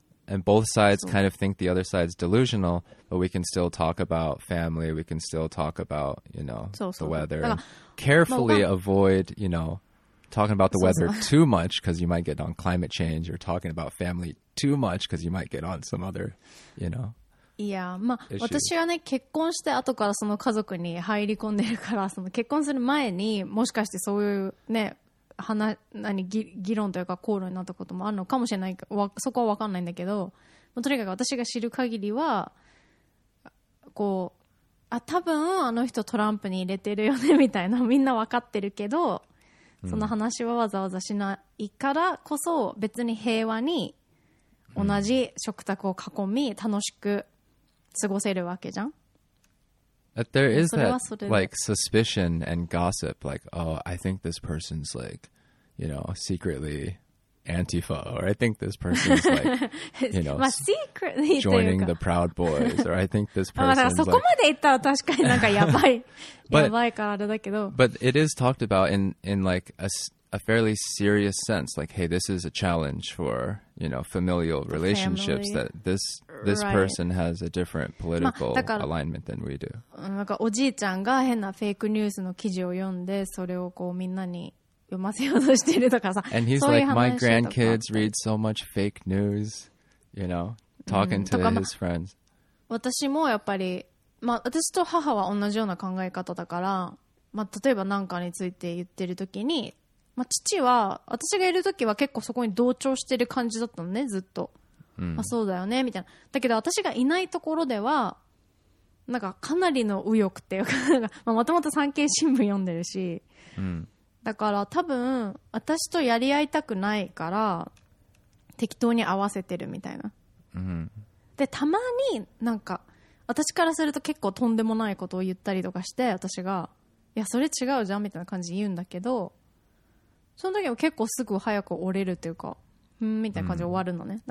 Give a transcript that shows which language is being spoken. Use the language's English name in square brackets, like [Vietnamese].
[English] And both sides kind of think the other side's delusional, but we can still talk about family. We can still talk about, you know, the weather. Carefully avoid, you know. Talking about the weather too much because you might get on climate change, or talking about family too much because you might get on some other, you know. Yeah, まあ、issues. [Japanese] 私はね、結婚して後からその家族に入り込んでるから、その結婚する前にもしかしてそういうね、議論というか口論になったこともあるのかもしれない。そこは分かんないんだけど、とにかく私が知る限りは、こう、あ、多分あの人トランプに入れてるよねみたいな、みんな分かってるけど。その話はわざわざしないからこそ別に平和に同じ食卓を囲み楽しく過ごせるわけじゃん。 [English] But there is that like suspicion and gossip, like, oh, I think this person's like, you know, secretly Antifa, or I think this person's like, you know, secretly joining the Proud Boys, or I think this person's like, [Japanese] そこまで言ったら確かになんかやばい。 [English] But, [Japanese] やばいからあれだけど。 [English] But it is talked about in like a fairly serious sense, like, hey, this is a challenge for, you know, familial relationships, that this、 right. person has a different political alignment than we do. [Japanese] なんかおじいちゃんが変なフェイクニュースの記事を読んで、それをこうみんなに読ませようとしているとかさ、 [English] And he's like, my grandkids read so much fake news, you know, talking to his friends. [Japanese] 私もやっぱり、まあ、私と母は同じような考え方だから、まあ、例えば何かについて言ってるときに、まあ、父は私がいるときは結構そこに同調してる感じだったのね、ずっと、まあ、そうだよねみたいな。だけど私がいないところではなんかかなりの右翼っていうか、まあ、もともと産経新聞読んでるし、だから多分私とやり合いたくないから適当に合わせてるみたいな、でたまになんか私からすると結構とんでもないことを言ったりとかして、私がいやそれ違うじゃんみたいな感じで言うんだけど、その時も結構すぐ早く折れるというか、ふんみたいな感じで終わるのね。